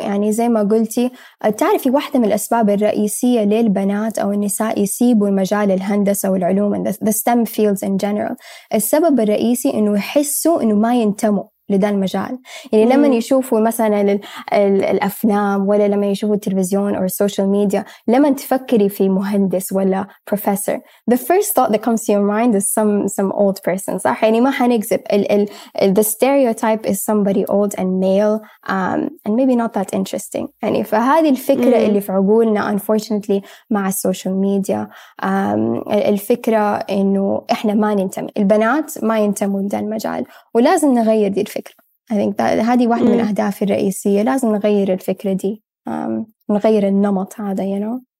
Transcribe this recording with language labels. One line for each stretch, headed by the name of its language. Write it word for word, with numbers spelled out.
Arabic: يعني زي ما قلتي تعرفي واحدة من الأسباب الرئيسية للبنات أو النساء يسيبوا مجال الهندسة والعلوم
English: the STEM fields in general
Arabic: السبب الرئيسي إنه يحسوا إنه ما ينتموا لدا المجال. يعني لما يشوفوا مثلا الأفلام ولا لما يشوفوا التلفزيون أو السوشيال ميديا لما تفكري في مهندس ولا professor
English: the first thought that comes to your mind is some some old person
Arabic: صح. يعني ما حنكذب ال ال
English: the stereotype is somebody old and male um, and maybe not that interesting.
Arabic: يعني فهذه الفكرة اللي في عقولنا
English: unfortunately
Arabic: مع السوشيال ميديا um, الفكرة إنه إحنا ما ننتمي البنات ما ينتموا لدا المجال ولازم نغير دي الفكرة.
English: I think
Arabic: هذه واحدة من أهدافي الرئيسية لازم نغير الفكرة دي نغير النمط هذا
English: you know.